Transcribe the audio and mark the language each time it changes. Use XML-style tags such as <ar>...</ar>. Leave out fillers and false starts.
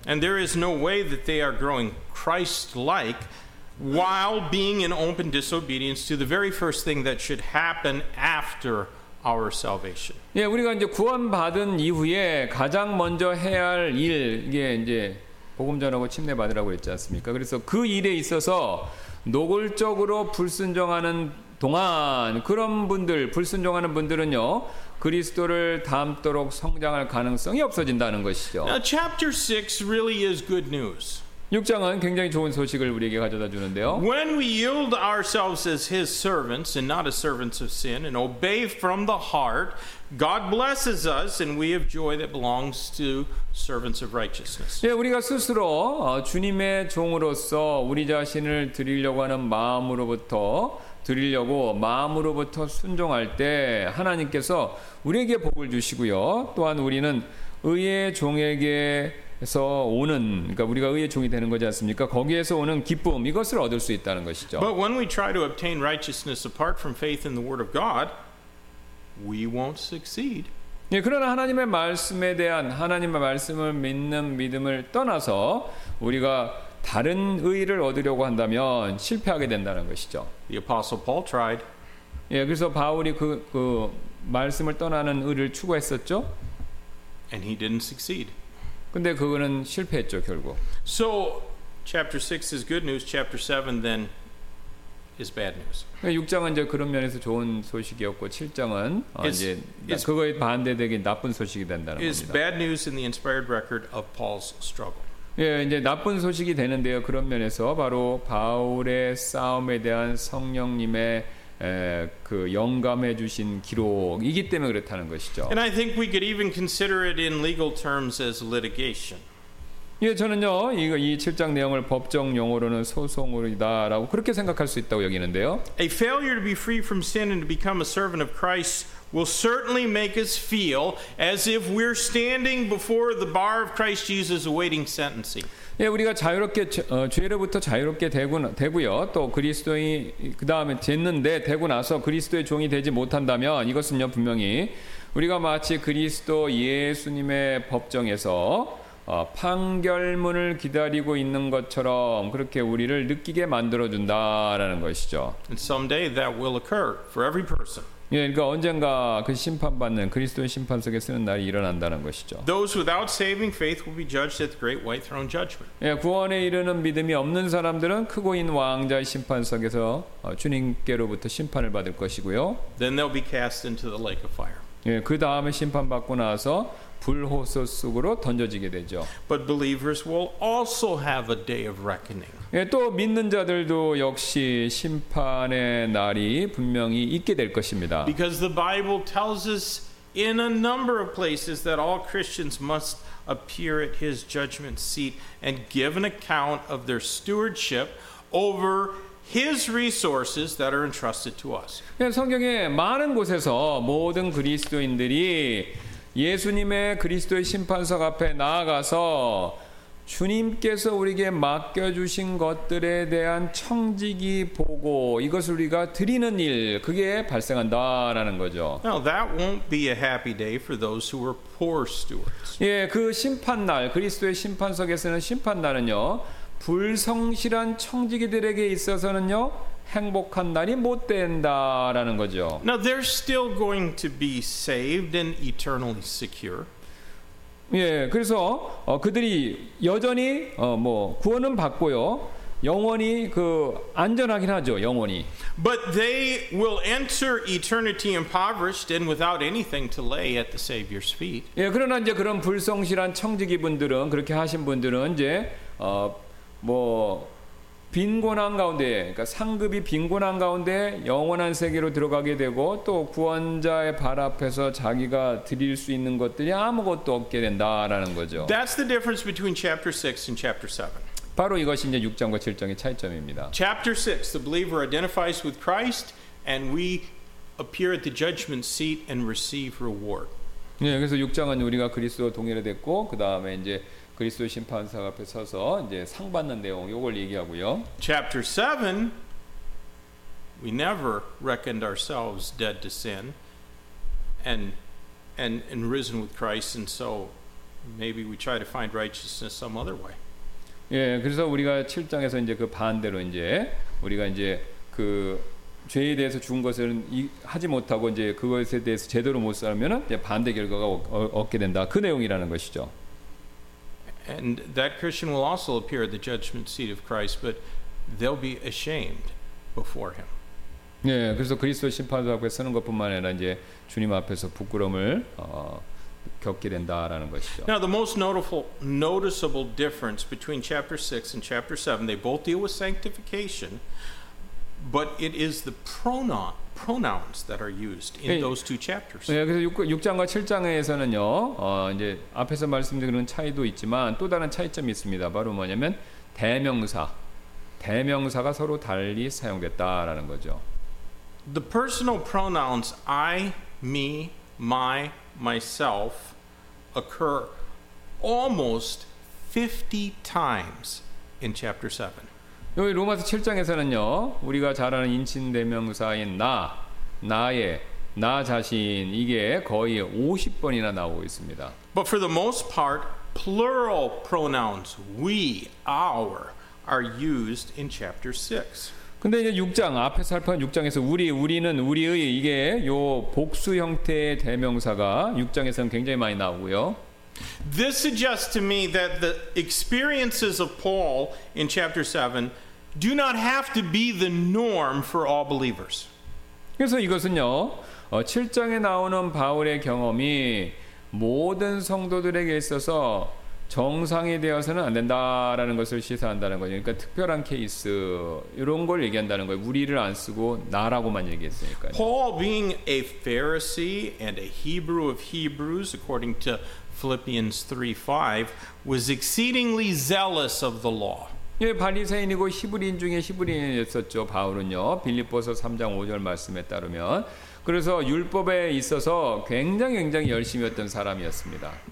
<en>And there is no way that they are growing Christ-like while being in open disobedience to the very first thing that should happen after our salvation.</en> <ko>예, 우리가 이제 구원받은 이후에 가장 먼저 해야 할 일, 이게 이제 복음 전하고 침례 받으라고 했지 않습니까? 그래서 그 일에 있어서 노골적으로 불순종하는 동안 그런 분들 불순종하는 분들은요. 그리스도를 닮도록 성장할 가능성이 없어진다는 것이죠.</ko> <en>Now, chapter 6 really is good news.</en> <ko>6장은 굉장히 좋은 소식을 우리에게 가져다 주는데요.</ko> <en>When we yield ourselves as his servants and not as servants of sin and obey from the heart, God blesses us and we have joy that belongs to servants of righteousness.</en> <ko>예, 우리가 스스로 주님의 종으로서 우리 자신을 드리려고 하는 마음으로부터 드리려고 마음으로부터 순종할 때 하나님께서 우리에게 복을 주시고요. 또한 우리는 의의 종에게 에서 오는 그러니까 우리가 의의 종이 되는 거지 않습니까? 거기에서 오는 기쁨 이것을 얻을 수 있다는 것이죠.</ko> <en>But when we try to obtain righteousness apart from faith in the word of God, we won't succeed.</en> <ko>예, 그러나 하나님의 말씀에 대한 하나님의 말씀을 믿는 믿음을 떠나서 우리가 다른 의의를 얻으려고 한다면 실패하게 된다는 것이죠.</ko> <en>The apostle Paul tried.</en> <ko>예, 그래서 바울이 그 말씀을 떠나는 의를 추구했었죠.</ko> <en>And he didn't succeed.</en> <ko>근데 그거는 실패했죠, 결국.</ko> <en>So chapter 6 is good news, chapter 7 then is bad news.</en> <ko>6장은 이제 그런 면에서 좋은 소식이었고 7장은 이제 그거에 반대되게 나쁜 소식이 된다는 겁니다.</ko> <en>It's bad news in the inspired record of Paul's struggle.</en> <ko>예, 이제 나쁜 소식이 되는데요. 그런 면에서 바로 바울의 싸움에 대한 성령님의 그 영감해 주신 기록이기 때문에 그렇다는 것이죠.</ko> <en>And I think we could even consider it in legal terms as litigation.</en> <ko>예, 저는요. 이 7장 내용을 법정 용어로는 소송이다라고 그렇게 생각할 수 있다고 여기는데요.</ko> <en>A failure to be free from sin and to become a servant of Christ will certainly make us feel as if we're standing before the bar of Christ Jesus awaiting sentencing.</en> <ko>예, 우리가 자유롭게 죄로부터 자유롭게 되고요. 또 그리스도인 그다음에 됐는데 되고 나서 그리스도의 종이 되지 못한다면 이것은요, 분명히 우리가 마치 그리스도 예수님의 법정에서 판결문을 기다리고 있는 것처럼 그렇게 우리를 느끼게 만들어 준다라는 것이죠.</ko> <en>And someday that will occur for every person.</en> <ko>예, 그러니까 언젠가 그 심판받는 그리스도의 심판 속에 쓰는 날이 일어난다는 것이죠.</ko> <en>Those without saving faith will be judged at the great white throne judgment.</en> <ko>예, 구원에 이르는 믿음이 없는 사람들은 크고 인 왕자의 심판 속에서 주님께로부터 심판을 받을 것이고요.</ko> <en>Then they'll be cast into the lake of fire.</en> <ko>예, 그 다음에 심판 받고 나서 불호소 속으로 던져지게 되죠.</ko> <en>But believers will also have a day of reckoning.</en> <ko>예, 또 믿는 자들도 역시 심판의 날이 분명히 있게 될 것입니다.</ko> <en>Because the Bible tells us in a number of places that all Christians must appear at his judgment seat and give an account of their stewardship over His resources that are entrusted to us.</en> <ko>예, 성경에 많은 곳에서 모든 그리스도인들이 예수님의 그리스도의 심판석 앞에 나아가서 주님께서 우리에게 맡겨주신 것들에 대한 청지기 보고 이것을 우리가 드리는 일 그게 발생한다라는 거죠.</ko> <en>Now that won't be a happy day for those who were poor stewards.</en> <ko>예, 그 심판날 그리스도의 심판석에서는 심판날은요. 불성실한 청지기들에게 있어서는요 행복한 날이 못 된다라는 거죠.</ko> <en>Now they're still going to be saved and eternally secure.</en> <ko>예, 그래서 그들이 여전히 뭐 구원은 받고요, 영원히 그 안전하긴 하죠, 영원히.</ko> <en>But they will enter eternity impoverished and without anything to lay at the Savior's feet.</en> <ko>예, 그러나 이제 그런 불성실한 청지기 분들은 그렇게 하신 분들은 이제 뭐 빈곤한 가운데, 그러니까 상급이 빈곤한 가운데 영원한 세계로 들어가게 되고 또 구원자의 발 앞에서 자기가 드릴 수 있는 것들이 아무것도 없게 된다라는 거죠.</ko> <en>That's the difference between chapter 6 and chapter 7.</en> <ko>바로 이것이 이제 6장과 7장의 차이점입니다.</ko> <en>Chapter 6, the believer identifies with Christ and we appear at the judgment seat and receive reward.</en> <ko>네, 그래서 6장은 우리가 그리스도와 동일화됐고 그다음에 이제 그리스도 심판사 앞에 서서 이제 상 받는 내용 요걸 얘기하고요.</ko> <en>Chapter 7 we never reckoned ourselves dead to sin and risen with Christ and so maybe we try to find righteousness some other way.</en> <ko>예, 그래서 우리가 7장에서 이제 그 반대로 이제 우리가 이제 그 죄에 대해서 죽은 것은 하지 못하고 이제 그것에 대해서 제대로 못 살면은 이제 반대 결과가 얻게 된다. 그 내용이라는 것이죠.</ko> <en>And that Christian will also appear at the judgment seat of Christ, but they'll be ashamed before him.</en> <ko>예, 그래서 그리스도 심판자 앞에 서는 것뿐만 아니라 이제 주님 앞에서 부끄러움을 겪게 된다라는 것이죠.</ko> <en>Now the most noticeable difference between chapter 6 and chapter 7, they both deal with sanctification, but it is the pronouns that are used in those two chapters.</en> <ko>예, 그래서 6장과 7장에서는요, 이제 앞에서 말씀드린 차이도 있지만 또 다른 차이점이 있습니다. 바로 뭐냐면 대명사가 서로 달리 사용됐다라는 거죠.</ko> <en>The personal pronouns I, me, my, myself occur almost 50 times in chapter 7.</en> <ko>여기 로마서 7장에서는요, 우리가 잘 아는 인칭 대명사인 나의 나 자신 이게 거의 50번이나 나오고 있습니다.</ko> <en>But for the most part, plural pronouns we, our are used in chapter 6.</en> <ko>근데 이제 6장 앞에서 살펴본 6장에서 우리는 우리의 이게 요 복수 형태의 대명사가 6장에서는 굉장히 많이 나오고요.</ko> <en>This suggests to me that the experiences of Paul in chapter 7 do not have to be the norm for all believers.</en> <ko>그래서 이것은요. 7장에 나오는 바울의 경험이 모든 성도들에게 있어서 정상이 되어서는 안 된다라는 것을 시사한다는 거죠. 그러니까 특별한 케이스 이런 걸 얘기한다는 거예요. 우리를 안 쓰고 나라고만 얘기했으니까.</ko> <en>Paul being a Pharisee and a Hebrew of Hebrews according to Philippians 3:5 was exceedingly zealous of the law.</en> <ko>예, 바리새인이고 히브리인 중에 히브리인이었었죠. 바울은요. 빌립보서 3장 5절 말씀에 따르면 그래서 율법에 있어서 굉장히 열심이었던 사람이었습니다.</ko>